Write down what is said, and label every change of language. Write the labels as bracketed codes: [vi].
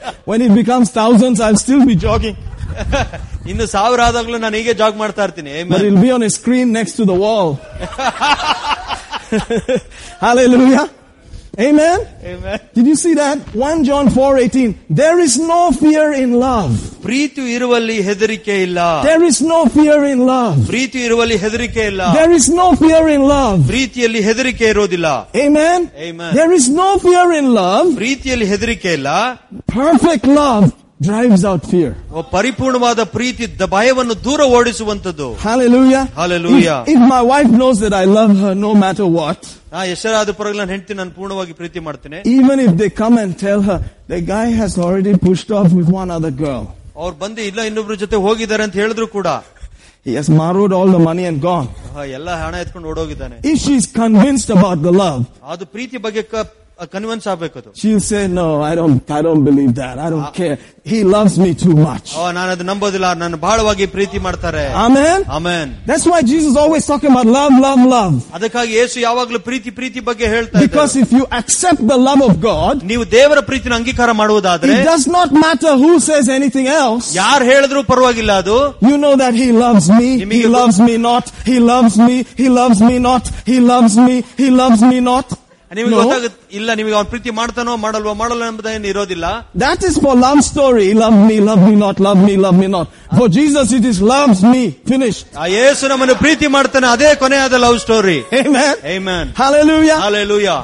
[en] When it becomes thousands, I'll still be jogging. [kn] ಇನ್ನು ಸಾವಿರ ಆದಾಗಲೂ ನಾನು ಹೀಗೆ ಜಾಗ್ ಮಾಡ್ತಾ ಇರ್ತೀನಿ. [en] But it'll be on a screen next to the wall. Hallelujah. Amen. Amen. Did you see that? 1 John 4:18. There is no fear in love. [kn] ಪ್ರೀತಿ ಇರುವಲ್ಲಿ ಹೆದರಿಕೆ ಇಲ್ಲ. [en] There is no fear in love. [kn] ಪ್ರೀತಿ ಇರುವಲ್ಲಿ ಹೆದರಿಕೆ ಇಲ್ಲ. [en] There is no fear in love. [kn] ಪ್ರೀತಿಯಲ್ಲಿ ಹೆದರಿಕೆ ಇರೋದಿಲ್ಲ. Amen. Amen. [en] There is no fear in love. [kn] ಪ್ರೀತಿಯಲ್ಲಿ ಹೆದರಿಕೆ ಇಲ್ಲ. [en] Perfect love drives out fear. [kn] ಓ ಪರಿಪೂರ್ಣವಾದ ಪ್ರೀತಿ ಭಯವನ್ನು ದೂರ ಓಡಿಸುವಂತದ್ದು. Hallelujah. Hallelujah. [en] If my wife knows that I love her no matter what. [kn] ಆ ಹೆಸರಾದ ಪರಗಳ ಹೆಂಡತಿ ನಾನು ಪೂರ್ಣವಾಗಿ ಪ್ರೀತಿ ಮಾಡ್ತೇನೆ. [en] Even if they come and tell her, the guy has already pushed off with one other girl. [kn] ಅವ್ರು ಬಂದು ಇಲ್ಲ ಇನ್ನೊಬ್ರು ಜೊತೆ ಹೋಗಿದ್ದಾರೆ ಅಂತ ಹೇಳಿದ್ರು ಕೂಡ. [en] He has marrowed all the money and gone. [kn] ಎಲ್ಲ ಹಣ ಎತ್ಕೊಂಡು ಓಡೋಗಿದ್ದಾನೆ. [en] If she is convinced about the love. [kn] ಅದು ಪ್ರೀತಿ ಬಗ್ಗೆ ಕನ್ವಿನ್ಸ್ ಆಗಬೇಕು. [en] She will say, no, I don't believe that. I don't care. He loves me too much. [kn] ಓ ನಾನು ಅದು ನಂಬೋದಿಲ್ಲ, ನಾನು ಬಹಳವಾಗಿ ಪ್ರೀತಿ ಮಾಡ್ತಾರೆ. Amen. Amen. [en] That's why Jesus always talking about love, love, love. [kn] ಅದಕ್ಕಾಗಿ ಯೇಸು ಯಾವಾಗಲೂ ಪ್ರೀತಿ ಪ್ರೀತಿ ಬಗ್ಗೆ ಹೇಳ್ತಾರೆ. [en] Because if you accept the love of God, [kn] ನೀವು ದೇವರ ಪ್ರೀತಿನ ಅಂಗೀಕಾರ ಮಾಡುವುದಾದ್ರೆ, [en] it does not matter who says anything else. [kn] ಯಾರು ಹೇಳಿದ್ರು ಪರವಾಗಿಲ್ಲ ಅದು. [en] You know that he loves me, he loves me not, he loves me, he loves me not, he loves me, he loves me not. [kn] ನಿಮಗೆ ಗೊತ್ತಾಗುತ್ತೆ ಇಲ್ಲ, ನಿಮಗೆ ಅವ್ನು ಪ್ರೀತಿ ಮಾಡ್ತಾನೋ ಮಾಡಲ್ವೋ ಮಾಡಲ್ಲ ಎಂಬುದೇನು ಇರೋದಿಲ್ಲ. [en] That is for love story. Love me not, love me, love me not. For Jesus it is love me finish. [kn] ಆ ಯೇಸು ನಮ್ಮನ್ನು ಪ್ರೀತಿ ಮಾಡ್ತಾನೆ ಅದೇ ಕೊನೆಯಾದ love story. Amen. Amen. Hallelujah. Hallelujah.